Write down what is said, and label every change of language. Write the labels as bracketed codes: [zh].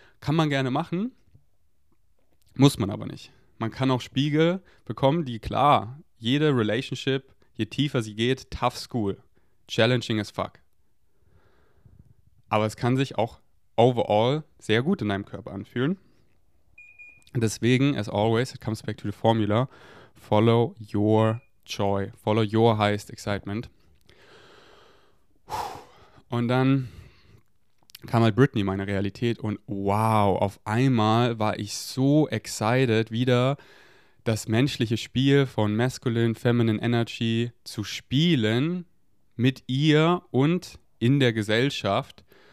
[de] Kann man gerne machen, muss man aber nicht. Man kann auch Spiegel bekommen, die, klar, jede Relationship, je tiefer sie geht, [en] tough school, challenging as fuck. [de] Aber es kann sich auch overall sehr gut in deinem Körper anfühlen. [en] Deswegen, as always, it comes back to the formula, follow your joy. Follow your highest excitement. [de] Und dann kam halt Britney in meine Realität und wow, auf einmal war ich so excited, wieder das menschliche Spiel von [en] Masculine, Feminine Energy [de] zu spielen mit ihr und in der Gesellschaft,